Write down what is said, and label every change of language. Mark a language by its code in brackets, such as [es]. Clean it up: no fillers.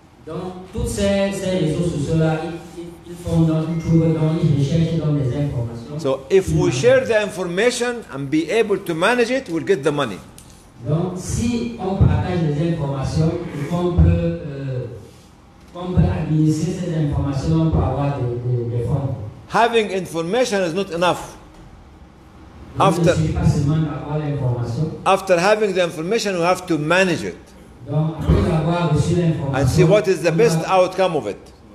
[fr] Donc, toutes ces réseaux sociaux-là, ils font dans une trouve, dans une recherche, dans des informations. [en] So if we share the information and be able to manage it, we'll get the money. [fr] Donc, si on partage les informations, on peut administrer ces informations, on peut avoir des fonds. [en] Having information is not enough. After having the information, we have to manage it and see what is the best outcome of it.